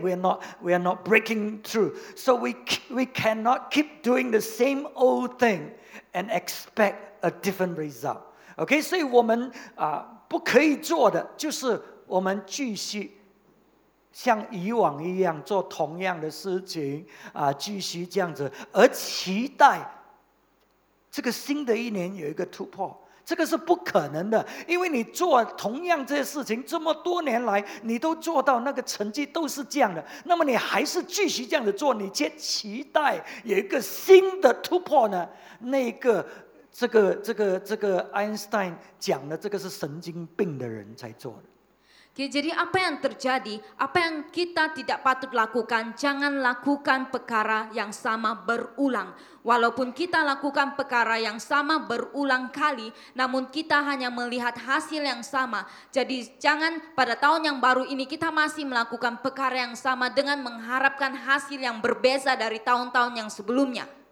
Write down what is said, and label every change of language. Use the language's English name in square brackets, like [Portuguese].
[English] We are not breaking through. So we cannot keep doing the same old thing and expect a different result. [Chinese] Okay, 所以我们不可以做的就是我们继续 像以往一样做同样的事情，继续这样子，而期待这个新的一年有一个突破。这个是不可能的, 因为你做同样这些事情这么多年来, 你都做到那个成绩都是这样的, 那么你还是继续这样子做, 你却期待有一个新的突破呢, 那个, 这个 Einstein 讲的这个是神经病的人才做的。 [Malay] Okay, jadi apa yang terjadi, apa yang kita tidak patut lakukan, jangan lakukan perkara yang sama berulang. Walaupun kita lakukan perkara yang sama berulang kali, namun kita hanya melihat hasil yang sama. Jadi jangan pada tahun yang baru ini kita masih melakukan perkara yang sama dengan mengharapkan hasil yang berbeza dari tahun-tahun yang sebelumnya.